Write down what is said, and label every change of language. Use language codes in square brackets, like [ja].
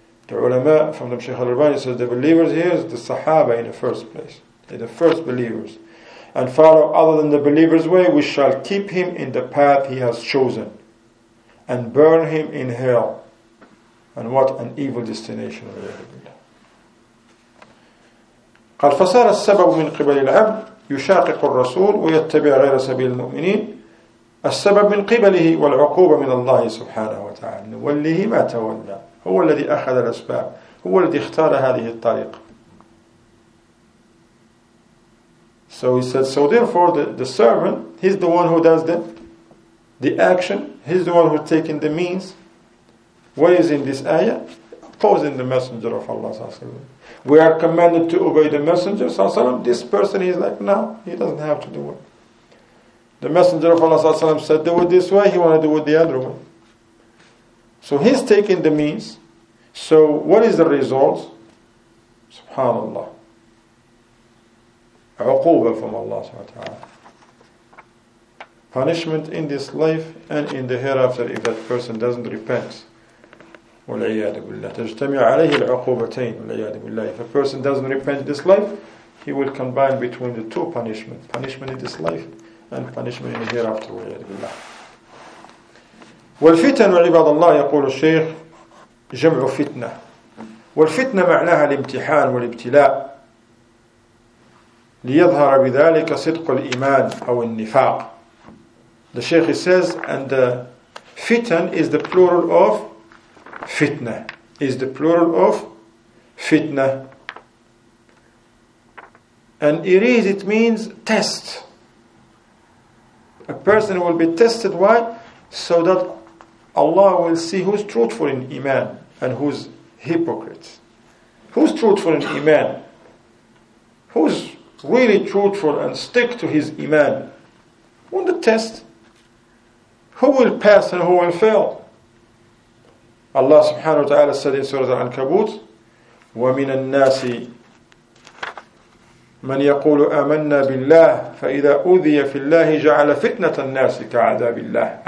[en] The ulama from the Shaykh al-Rabbani says the believers here is the Sahaba in the first place. They're the first believers. And follow other than the believer's way, we shall keep him in the path he has chosen and burn him in hell. And what an evil destination. [ar] قال فصار السبب من قبل العبد يشاقق الرسول ويتبع غير سبيل المؤمنين السبب من قبله والعقوبة من الله سبحانه وتعالى نوليه ما تولى. هو الذي أخذ الأسباب, هو الذي اختار هذه الطريقة. [en] So he said, so therefore the servant, he's the one who does the action, he's the one who's taking the means. What is in this ayah? Opposing the Messenger of Allah sallallahu alayhi wa sallam. We are commanded to obey the Messenger sallallahu alayhi wa sallam. This person is like, no, he doesn't have to do it. The Messenger of Allah sallallahu alayhi wa sallam said, do it this way, he wanted to do it the other way. So he's taking the means. So what is the result? Subhanallah. عقوبة from Allah subhanahu wa ta'ala. Punishment in this life and in the hereafter if that person doesn't repent. [ar] والعياذ بالله تجتمع عليه العقوبتين والعياذ بالله. [en] If a person doesn't repent this life, he will combine between the two punishments. Punishment in this life and punishment in the hereafter. [ar] والعياذ بالله. والفتن وعباد الله يقول الشيخ جمع فتنة. والفتنة معناها الامتحان والابتلاء. ليظهر بذلك صدق الإيمان أو النفاق. [en] The Shaykh says, and the fitan is the plural of fitna. Is the plural of fitna. And it is, it means test. A person will be tested. Why? So that Allah will see who's truthful in iman and who's hypocrite. Who's truthful in iman? Who's really truthful and stick to his iman? On the test. Who will pass and who will fail? Allah subhanahu wa ta'ala said in Surah Al-Ankabut, [ar] وَمِنَ النَّاسِ مَنْ يَقُولُ أَمَنَّا بِاللَّهِ فَإِذَا أُذِيَ فِي اللَّهِ جَعَلَ فِتْنَةَ النَّاسِ كَعَذَابِ اللَّهِ.